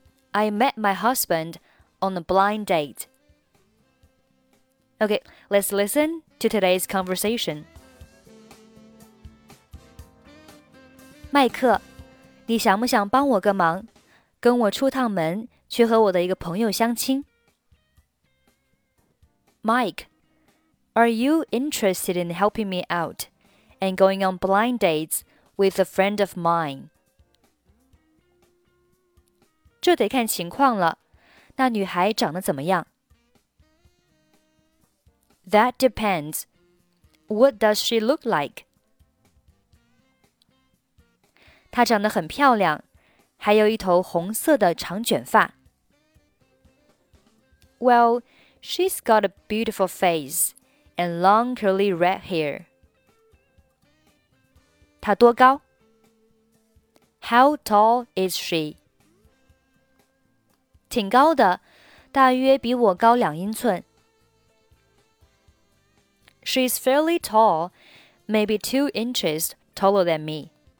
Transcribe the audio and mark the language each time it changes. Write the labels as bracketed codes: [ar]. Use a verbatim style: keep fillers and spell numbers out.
[en] I met my husband on a blind date. Okay, let's listen to today's conversation. [zh] 麦克你想不想帮我个忙，跟我出趟门，去和我的一个朋友相亲？ [en] Mike, are you interested in helping me out and going on blind dates with a friend of mine? [zh] 这得看情况了，那女孩长得怎么样？ [en] That depends. What does she look like? [zh] 她长得很漂亮，还有一头红色的长卷发。 [en] Well, she's got a beautiful face and long curly red hair. [zh] 她多高？ [en] How tall is she? [zh] 挺高的，大约比我高两英寸。 [en] She's fairly tall, maybe two inches taller than me.